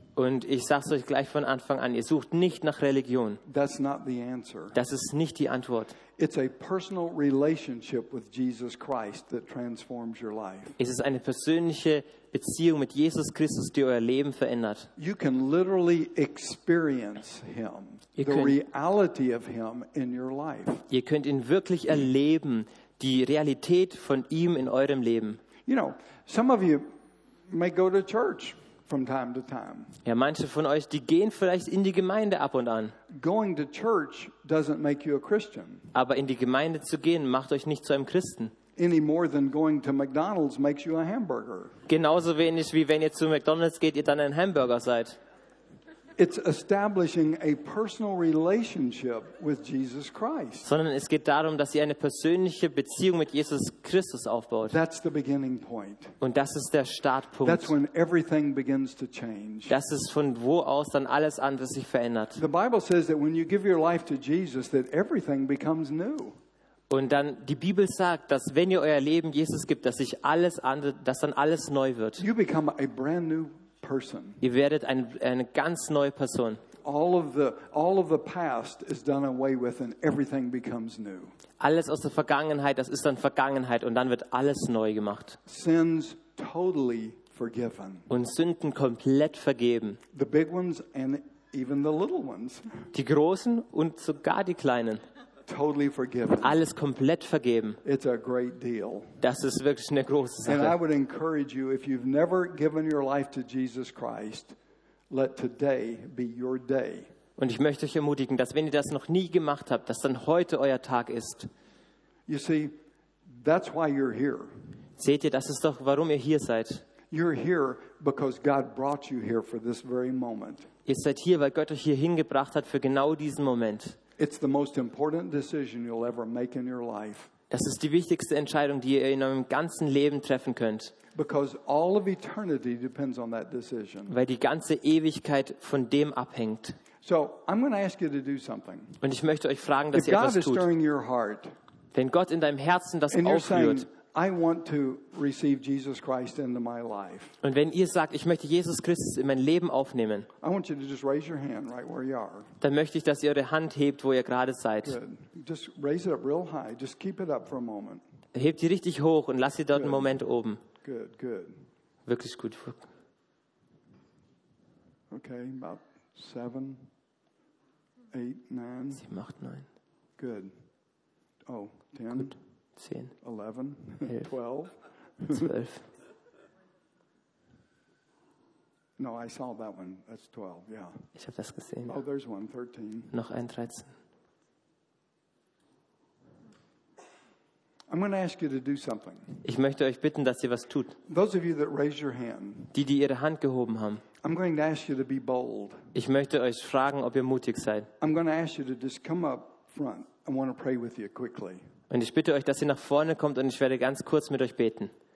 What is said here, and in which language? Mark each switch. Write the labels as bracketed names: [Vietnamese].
[German] Und ich sag's euch gleich von Anfang an, ihr sucht nicht nach Religion. [English] That's not the answer. [German] Das ist nicht die Antwort. [English] It's a personal relationship with Jesus Christ that transforms your life. [German] Es ist eine persönliche Beziehung mit Jesus Christus, die euer Leben verändert. [English] You can literally experience him, the reality of him in your life. [German] Ihr könnt ihn wirklich erleben, die Realität von ihm in eurem Leben. [English] You know, some of you may go to church from time to time. [German] Ja, manche von euch, die gehen vielleicht in die Gemeinde ab und an. [English] Going to church doesn't make you a Christian. [German] Aber in die Gemeinde zu gehen macht euch nicht zu einem Christen. [English] Any more than going to McDonald's makes you a hamburger. [German] Genauso wenig wie wenn ihr zu McDonald's geht, ihr dann ein Hamburger seid. [English] It's establishing a personal relationship with Jesus Christ. [German] Sondern es geht darum, dass ihr eine persönliche Beziehung mit Jesus Christus aufbaut. [English] That's the beginning point. [German] Und das ist der Startpunkt. [English] That's when everything begins to change. [German] Das ist von wo aus dann alles andere sich verändert. [English] The Bible says that when you give your life to Jesus, that everything becomes new. [German] Und dann die Bibel sagt, dass wenn ihr euer Leben Jesus gibt, dass sich alles andere, dass dann alles neu wird. [English] You become a brand new person. [German] Ihr werdet eine ganz neue Person. [English] All of the past is done away with and everything becomes new. [German] Alles aus der Vergangenheit, das ist dann Vergangenheit und dann wird alles neu gemacht. [English] Sins totally forgiven. [German] Und Sünden komplett vergeben. [English] The big ones and even the little ones. [German] Die großen und sogar die kleinen. [English] Totally forgiven. [German] Alles komplett vergeben. [English] It's a great deal. [German] Das ist wirklich eine große Sache. [English] And I would encourage you, if you've never given your life to Jesus Christ, let today be your day. [German] Und ich möchte euch ermutigen, dass wenn ihr das noch nie gemacht habt, dass dann heute euer Tag ist. [English] You see, that's why you're here. [German] Seht ihr, das ist doch, warum ihr hier seid. [English] You're here because God brought you here for this very moment. [German] Ihr seid hier, weil Gott euch hier hingebracht hat für genau diesen Moment. [English] It's the most important decision you'll ever make in your life. [German] Das ist die wichtigste Entscheidung, die ihr in eurem ganzen Leben treffen könnt. [English] Because all of eternity depends on that decision. [German] Weil die ganze Ewigkeit von dem abhängt. [English] So, I'm going to ask you to do something. [German] Und ich möchte euch fragen, dass ihr etwas tut. [English] If God is stirring your heart, [German] wenn Gott in deinem Herzen das aufrührt, [English] I want to receive Jesus Christ into my life. [German] Und wenn ihr sagt, ich möchte Jesus Christus in mein Leben aufnehmen, [English] I want you to just raise your hand right where you are. [German] Dann möchte ich, dass ihr eure Hand hebt, wo ihr gerade seid. [English] Good. Just raise it up real high. Just keep it up for a moment. [German] Hebt sie richtig hoch und lasst sie dort good. Einen Moment oben. [English] Good, good. [German] Wirklich gut. [English] Okay, about 7, 8, 9. [German] 7, 8, 9. [English] Good. Oh, 10. [German] Gut. 10, [English] 11, 12. [German] 12. [English] No, I saw that one. That's 12, yeah. [German] Ich habe das gesehen. [English] Oh, there's one, 13. [German] Noch ein 13. [English] I'm going to ask you to do something. [German] Ich möchte euch bitten, dass ihr was tut. [English] Those of you that raise your hand. [German] Die ihre Hand gehoben haben. [English] I'm going to ask you to be bold. [German] Ich möchte euch fragen, ob ihr mutig seid. [English] I'm going to ask you to just come up front. I want to pray with you quickly. [German] Und ich bitte euch, dass ihr nach vorne kommt und ich werde ganz kurz mit euch beten.